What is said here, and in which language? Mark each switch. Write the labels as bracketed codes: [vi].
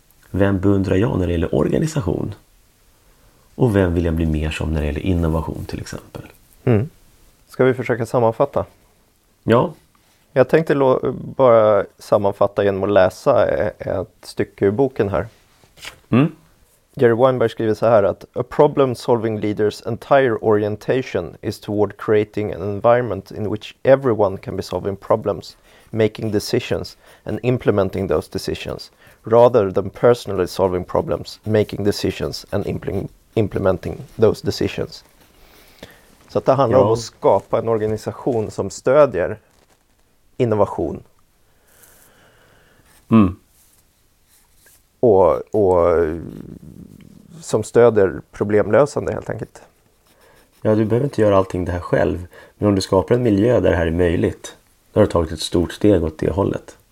[sv] Vem beundrar jag när det gäller organisation? Och vem vill jag bli mer som när det gäller innovation till exempel? Mm. Ska vi försöka sammanfatta? Ja. Jag tänkte bara sammanfatta genom att läsa ett stycke ur boken här. Mm. [en] Jerry Weinberg [sv] skriver så här att [en] a problem solving leader's entire orientation is toward creating an environment in which everyone can be solving problems, making decisions and implementing those decisions rather than personally solving problems, making decisions and implementing those decisions. [sv] Så att det handlar om att skapa en organisation som stödjer innovation. Mm. Och som stöder problemlösande helt enkelt. Ja, du behöver inte göra allting det här själv. Men om du skapar en miljö där det här är möjligt, då har du tagit ett stort steg åt det hållet.